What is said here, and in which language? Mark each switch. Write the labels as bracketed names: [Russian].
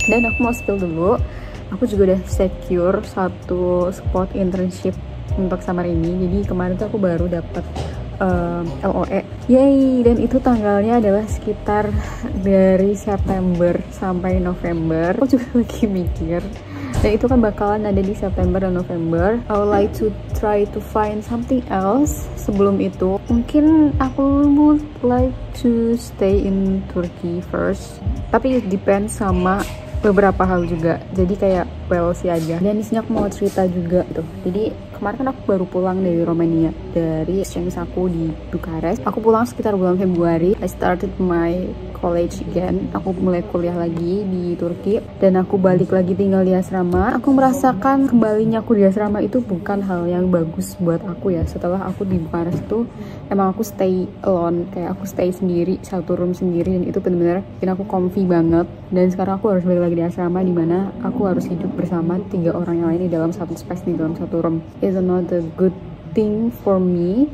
[Indonesian] Dan aku mau spill dulu, aku juga udah [English] secure 1 spot internship [Indonesian] untuk summer ini. Jadi kemarin tuh aku baru dapet LOE, yay. Dan itu tanggalnya adalah sekitar dari September sampai November. Aku juga lagi mikir, dan itu kan bakalan ada di September dan November. [English] I would like to try to find something else [Indonesian] sebelum itu. Mungkin aku [English] would like to stay in Turkey first, [Indonesian] tapi [English] it depends [Indonesian] sama beberapa hal juga. Jadi kayak well sih aja. Dan disini aku mau cerita juga tuh. Jadi kemarin kan aku baru pulang dari Romania, dari exchange aku di Bukares. Aku pulang sekitar bulan Februari. [English] I started my college again. [Indonesian] Aku mulai kuliah lagi di Turki. Dan aku balik lagi tinggal di asrama. Aku merasakan kembalinya aku di asrama itu bukan hal yang bagus buat aku ya. Setelah aku di Bukares tuh, emang aku [English] stay alone. [Indonesian] Kayak aku stay sendiri, satu room sendiri. Dan itu benar-benar bikin aku [English] comfy [Indonesian] banget. Dan sekarang aku harus balik lagi di asrama, dimana aku harus hidup bersama 3 orang yang lain di dalam satu space, di dalam satu room. [English] It's not a good thing for me.